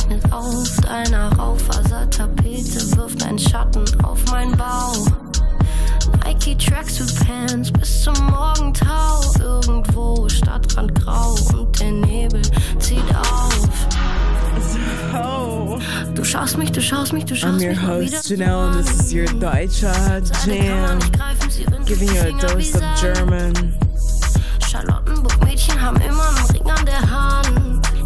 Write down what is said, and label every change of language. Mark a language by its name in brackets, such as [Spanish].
[German] Auf deiner Raufasertapete wirft ein Schatten auf meinen Bauch. Nike Tracksuit Pants bis zum Morgentau. Irgendwo Stadtrand grau und der Nebel zieht auf. So. Du schaust mich, du schaust mich, du schaust mich. [English] I'm your host, Janelle, and this is your Deutscher Jam. Giving you a dose of German. [German] Charlottenburg-Mädchen haben immer einen Ring an der Hand.